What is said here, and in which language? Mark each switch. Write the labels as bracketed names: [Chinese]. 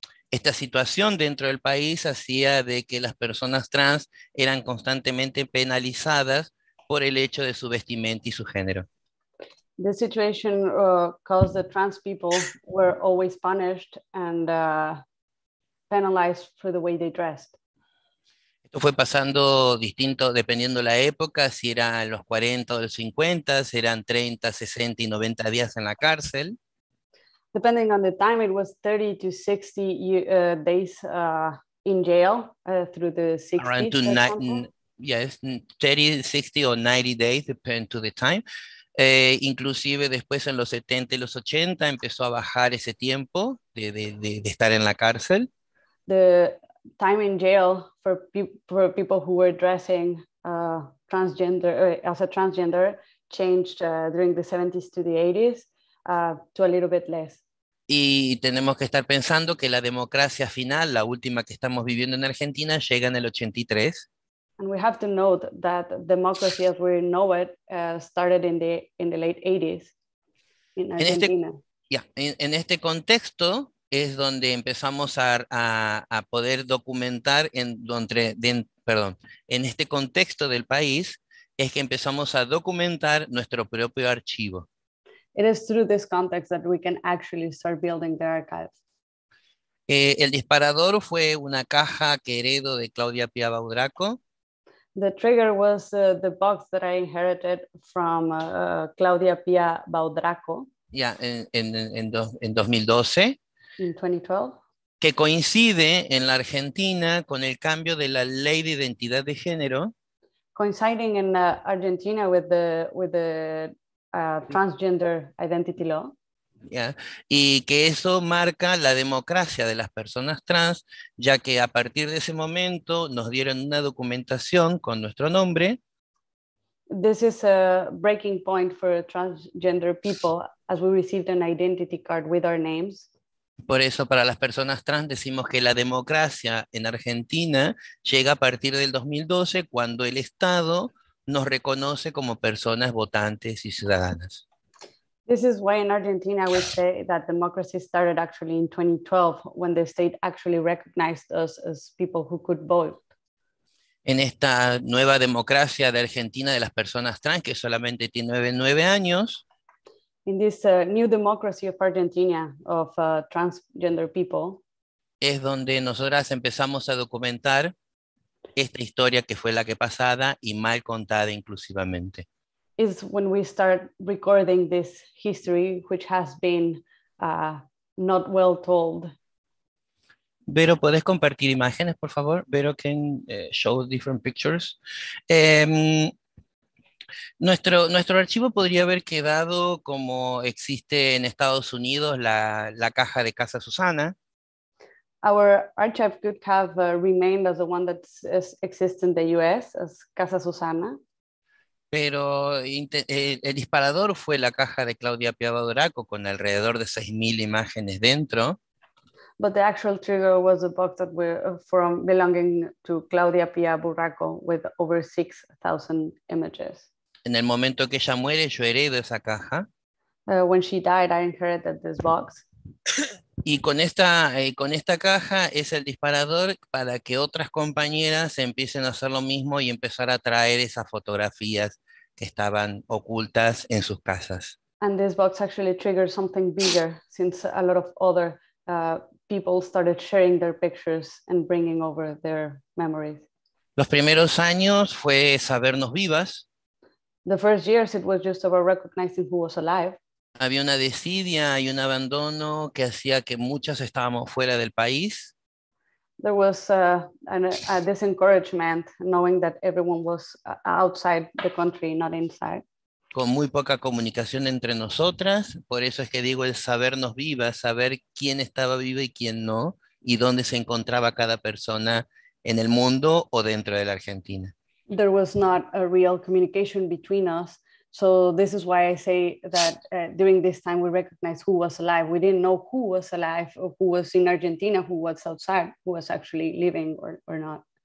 [Spanish] Esta situación dentro del país hacía de que las personas trans eran constantemente penalizadas por el hecho de su vestimenta y su género. [English] The situation caused that trans people were always punished and penalized for the way they dressed. [Spanish] Esto fue pasando distinto dependiendo la época, si eran los 40 o los 50, si eran 30, 60 y 90 días en la cárcel. [English] Depending on the time, it was 30 to 60 days in jail through the 60s. Around to yes, 30, 60 or 90 days, depending to the time. [Spanish] Inclusive después en los 70 y los 80 empezó a bajar ese tiempo de estar en la cárcel. [English] The time in jail for people who were dressing transgender as a transgender changed during the 70s to the 80s to a little bit less. [Spanish] Y tenemos que estar pensando que la democracia final, la última que estamos viviendo en Argentina, llega en el 83. [English] And we have to note that democracy as we know it started in the late 80s in Argentina. [Spanish] En este contexto es donde empezamos a poder documentar en este contexto del país es que empezamos a documentar nuestro propio archivo. [English] It is through this context that we can actually start building the archives. [Spanish] El disparador fue una caja que heredo de Claudia Pia Baudraco. [English] The trigger was the box that I inherited from Claudia Pia Baudraco. [Spanish] Yeah, en 2012. [English] In 2012. [Spanish] Que coincide en la Argentina con el cambio de la ley de identidad de género. [English] Coinciding in Argentina with the transgender identity law. Yeah. [Spanish] Y que eso marca la democracia de las personas trans, ya que a partir de ese momento nos dieron una documentación con nuestro nombre. [English] This is a breaking point for transgender people, as we received an identity card with our names. [Spanish] Por eso para las personas trans decimos que la democracia en Argentina llega a partir del 2012, cuando el Estado nos reconoce como personas votantes y ciudadanas. [English] This is why in Argentina we say that democracy started actually in 2012 when the state actually recognized us as people who could vote. [Spanish] En esta nueva democracia de Argentina de las personas trans que solamente tiene 9 años. [English] In this new democracy of Argentina of transgender people. [Spanish] Es donde nosotras empezamos a documentar esta historia que fue la que pasada y mal contada inclusivamente. [English] Is when we start recording this history, which has been not well told. [Spanish] Vero, ¿puedes compartir imágenes, por favor? [English] Vero can show different pictures. Nuestro archivo podría haber quedado como existe en Estados Unidos, la caja de Casa Susana. Our archive could have remained as the one that exists in the US, as Casa Susana. [Spanish] Pero el disparador fue la caja de Claudia Pia Baudraco con alrededor de 6,000 imágenes dentro. [English] But the actual trigger was a box that were from belonging to Claudia Pia Baudraco with over 6,000 images. [Spanish] En el momento que ella muere, yo heredo esa caja. [English] When she died, I inherited this box. [Spanish] Y con esta caja es el disparador para que otras compañeras empiecen a hacer lo mismo y empezar a traer esas fotografías que estaban ocultas en sus casas. [English] And this box actually triggered something bigger since a lot of other people started sharing their pictures and bringing over their memories. [Spanish] Los primeros años fue sabernos vivas. [English] The first years it was just about recognizing who was alive. [Spanish] Había una desidia y un abandono que hacía que muchas estábamos fuera del país. [English] There was a disencouragement, knowing that everyone was outside the country, not inside. [Spanish] Con muy poca comunicación entre nosotras, por eso es que digo el sabernos vivas, saber quién estaba viva y quién no, y dónde se encontraba cada persona en el mundo o dentro de la Argentina. [English] There was not a real communication between us. So this is why I say that during this time we recognized who was alive. We didn't know who was alive, or who was in Argentina, who was outside, who was actually living or not.